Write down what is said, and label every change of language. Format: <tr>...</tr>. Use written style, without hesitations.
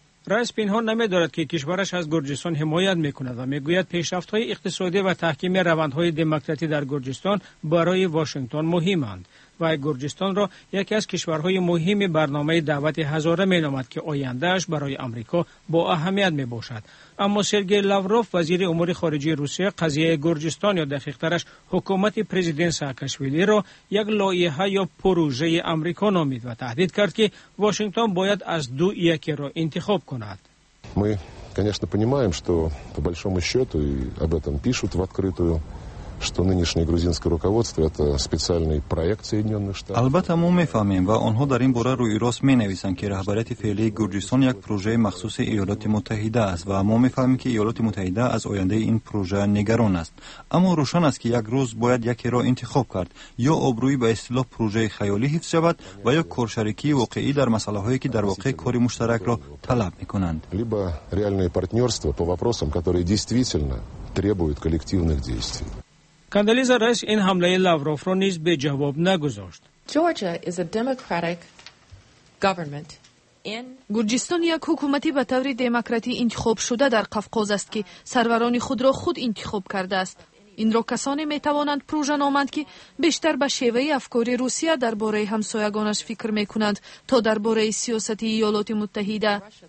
<fa>رئیس پنهان نمی‌دارد که کشورش از گرجستان حمایت می‌کند و می‌گوید پیشرفت‌های اقتصادی و تحکیم روندهای دموکراتی در گرجستان برای واشنگتن مهمند و گرجستان را یکی از کشورهای مهم برنامه دعوت هزاره می‌نامد که آینده‌اش برای آمریکا با اهمیت می‌باشد. اما سرگئی لاوروف وزیر امور خارجه روسیه قضیه گرجستان یا دقیق‌ترش حکومت پرزیدنت ساکاشویلی را یک لایحه یا پروژه آمریکا نامید و تهدید کرد که واشنگتن باید از دو یکی را انتخاب کند.</fa> <ru>ми, конечно, понимаем, что по большому счёту и об этом пишут в открытую, что нынешнее грузинское руководство это специальный проект Соединённых Штатов.</ru> <tg>Албатта мы фамим ва онҳо дар ин бора рӯи рос менависанд ки раҳбарияти феълии Гурҷистон як пружаи махсуси Иёлоти Муттаҳида аст ва мо мефаҳмем ки Иёлоти Муттаҳида аз ояндаи ин пружа нигарон аст. Аммо рӯшан аст ки як рӯз бояд якеро интихоб кард, ё обрӯи ба истилоҳ пружаи хаёлӣ ҳифз шавад ва ё коршарикии воқеӣ дар масъалаҳое ки дар воқеъ кори муштаракро талаб мекунанд.</tg> <ru>Либо реальное партнёрство по вопросам, которые действительно требуют коллективных действий.</ru> <fa>کاندالیزا رئیس این حمله لاوروف را نیز به جواب نگذاشت.</fa> <en>Georgia is a democratic government.</en> <fa>گرجستان یک حکومتی به طور دموکراتی انتخاب شده در قفقاز است که سروران خود را خود انتخاب کرده است. این را کسانی می توانند پروژه نامند که بیشتر به شیوه افکار روسیه در باره همسایگانش فکر می کنند تا در باره سیاست ایالات متحده.</fa>